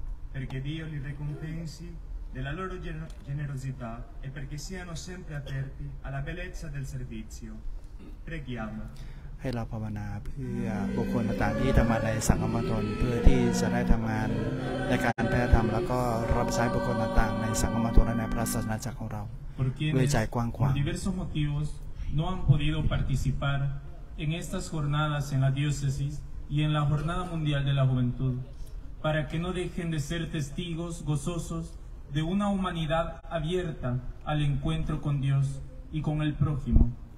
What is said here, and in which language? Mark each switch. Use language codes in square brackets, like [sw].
[it] Perché Dio li ricompensi della loro generosità e perché siano sempre aperti alla bellezza del servizio. Preghiamo. [th] ให้เราภาวนาเพื่อบุคคลต่างๆที่ทำงานในสังฆมณฑลเพื่อที่จะได้ทำงานในการแพร่ธรรมแล้วก็รับใช้บุคคลต่างๆในสังฆมณฑลและในพระศาสนาจักรของเราด้วยใจกว้างขวาง [es] diversos motivos no han podido participar en estas jornadas en la diócesis y en la jornada mundial de la juventud. Para que no dejen de ser testigos gozosos de una humanidad abierta al encuentro con Dios y con el prójimo.